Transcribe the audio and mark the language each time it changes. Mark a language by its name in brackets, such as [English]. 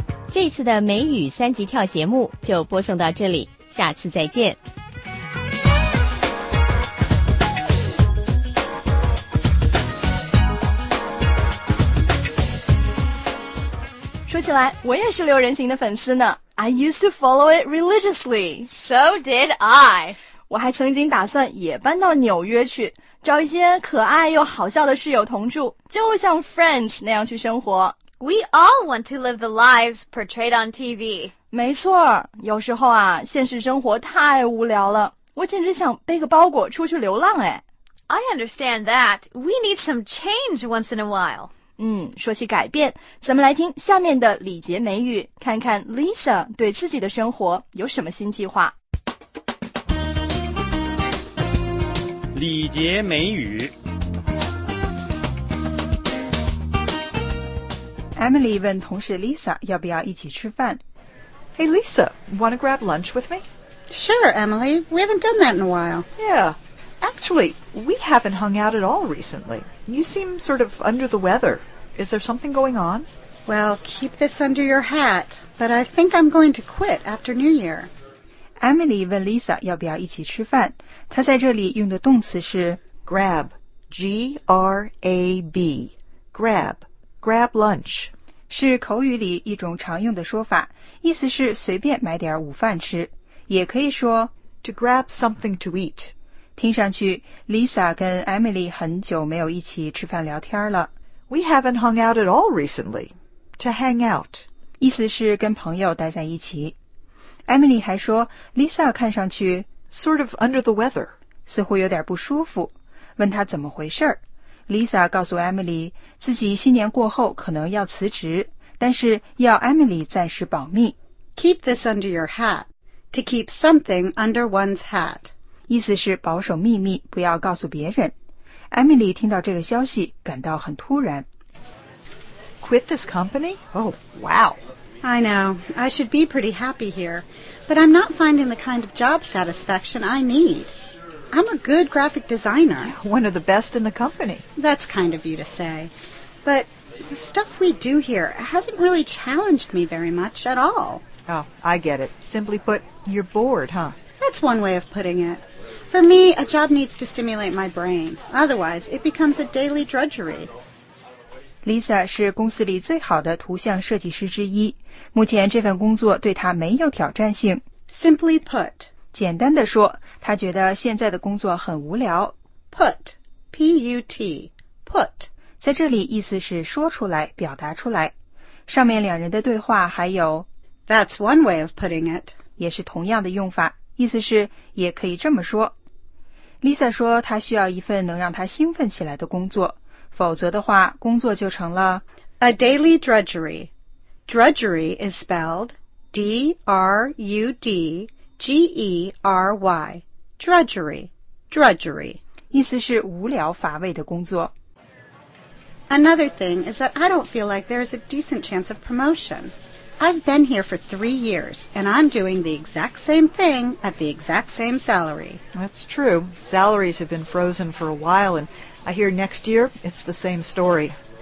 [Chinese] 这次的美语三级跳节目就播送到这里，下次再见。说起来，我也是六人行的粉丝呢。 [English] I used to follow it religiously. So did I. [Chinese] 我还曾经打算也搬到纽约去，找一些可爱又好笑的室友同住，就像 Friends 那样去生活。 [English] We all want to live the lives portrayed on TV. [Chinese] 没错，有时候啊，现实生活太无聊了，我简直想背个包裹出去流浪哎。 [English] I understand that. We need some change once in a while. [Chinese] 说起改变，咱们来听下面的礼节美语，看看 Lisa 对自己的生活有什么新计划。礼节美语。 Emily 问同事 Lisa 要不要一起吃饭。 [English] Hey Lisa, wanna grab lunch with me? Sure, Emily. We haven't done that in a while. Yeah. Actually, we haven't hung out at all recently. You seem sort of under the weather. Is there something going on? Well, keep this under your hat, but I think I'm going to quit after New Year. [Chinese] Emily 问 Lisa 要不要一起吃饭。她在这里用的动词是 [English] grab, G-R-A-B, grab, grab lunch. [Chinese] 是口语里一种常用的说法，意思是随便买点午饭吃。也可以说 [English] to grab something to eat. [Chinese] 听上去 Lisa 跟 Emily 很久没有一起吃饭聊天了。 [English] We haven't hung out at all recently. To hang out. [Chinese] 意思是跟朋友待在一起。Emily 还说 ,Lisa 看上去 [English] sort of under the weather. [Chinese] 似乎有点不舒服。问她怎么回事。 Lisa 告诉 Emily, 自己新年过后可能要辞职,但是要 Emily 暂时保密。 [English] Keep this under your hat. To keep something under one's hat. [Chinese] 意思是保守秘密,不要告诉别人。Emily 听到这个消息感到很突然。 [English] Quit this company? Oh, wow. I know. I should be pretty happy here. But I'm not finding the kind of job satisfaction I need. I'm a good graphic designer. One of the best in the company. That's kind of you to say. But the stuff we do here hasn't really challenged me very much at all. Oh, I get it. Simply put, you're bored, huh? That's one way of putting it. For me, a job needs to stimulate my brain. Otherwise, it becomes a daily drudgery. [Chinese] Lisa 是公司里最好的图像设计师之一。目前这份工作对她没有挑战性。 [English] Simply put. [Chinese] 简单的说，她觉得现在的工作很无聊。 [English] Put. P-U-T. Put. [Chinese] 在这里意思是说出来，表达出来。上面两人的对话还有 [English] That's one way of putting it. [Chinese] 也是同样的用法。意思是也可以这么说。 Lisa 说她需要一份能让她兴奋起来的工作，否则的话，工作就成了 [English] a daily drudgery. Drudgery is spelled D-R-U-D-G-E-R-Y. Drudgery, drudgery. [Chinese] 意思是无聊乏味的工作。 [English] Another thing is that I don't feel like there is a decent chance of promotion. I've been here for 3 years, and I'm doing the exact same thing at the exact same salary. That's true. Salaries have been frozen for a while, and I hear next year it's the same story.